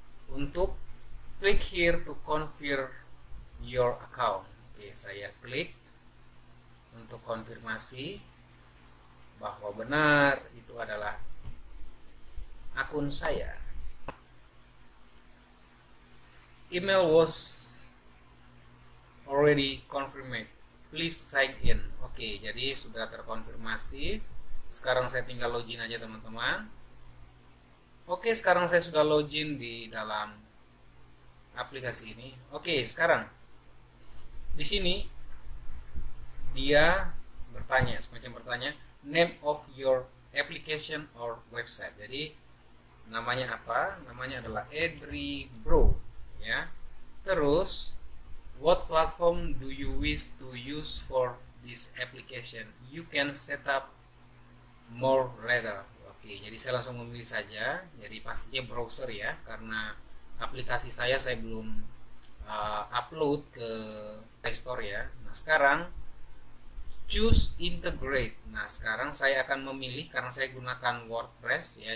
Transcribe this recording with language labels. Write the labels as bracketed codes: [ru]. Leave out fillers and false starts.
[id] Untuk [en] klik here to confirm your account. [id] Oke, saya klik untuk konfirmasi bahwa benar itu adalah akun saya. [en] Email was already confirmed. Please sign in. [id] Oke, jadi sudah terkonfirmasi. Sekarang saya tinggal login aja, teman-teman. Oke, sekarang saya sudah login di dalam aplikasi ini. Oke, sekarang di sini dia bertanya, semacam bertanya, [en] name of your application or website. [id] Jadi namanya apa? Namanya adalah Edribro, ya. Terus [en] what platform do you wish to use for this application? You can set up more later. [id] Oke, jadi saya langsung memilih saja. Jadi pastinya browser ya, karena aplikasi saya belum upload ke Play Store ya. Nah, sekarang [en] choose integrate. [id] Nah, sekarang saya akan memilih karena saya gunakan WordPress ya.